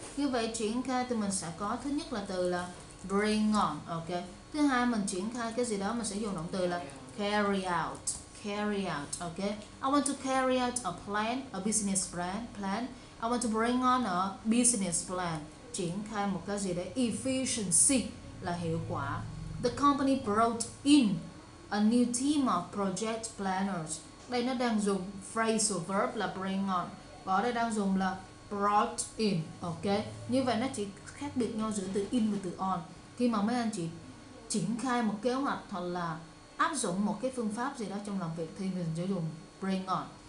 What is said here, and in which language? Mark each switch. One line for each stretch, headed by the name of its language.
Vietnamese: Như vậy triển khai thì mình sẽ có thứ nhất là từ là bring on, ok. Thứ hai mình triển khai cái gì đó mình sẽ dùng động từ là carry out, ok.
English: I want to carry out a plan, a business plan. I want to bring on a business plan.
Vietnamese: Triển khai một cái gì đấy. Efficiency là hiệu quả.
English: The company brought in a new team of project planners.
Vietnamese: Đây nó đang dùng phrasal verb là bring on. Và ở đây đang dùng là brought in, ok. Như vậy nó chỉ khác biệt nhau giữa từ in và từ on. Khi mà mấy anh chị triển khai một kế hoạch hoặc là áp dụng một cái phương pháp gì đó trong làm việc thì mình sẽ dùng bring on.